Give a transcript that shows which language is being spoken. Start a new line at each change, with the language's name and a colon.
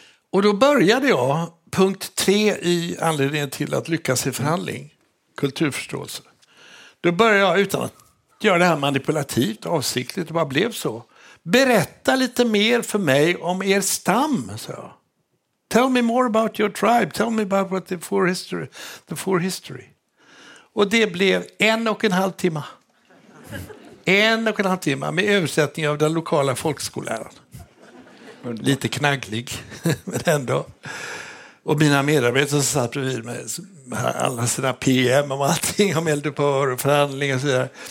Swedish: Och då började jag punkt 3 i anledningen till att lyckas i förhandling. Kulturförståelse. Då började jag, utan att göra det här manipulativt, avsiktligt, det bara blev så. Berätta lite mer för mig om er stam, sa jag.
English: Tell me more about your tribe. Tell me about the four history. The four history.
Swedish: Och det blev en och en halv timme. En och en halv timme med översättning av den lokala folkskolläraren. Lite knagglig, men ändå. Och mina medarbetare som satt bredvid mig, alla sina PM och allting om eldupphör och förhandling och så vidare.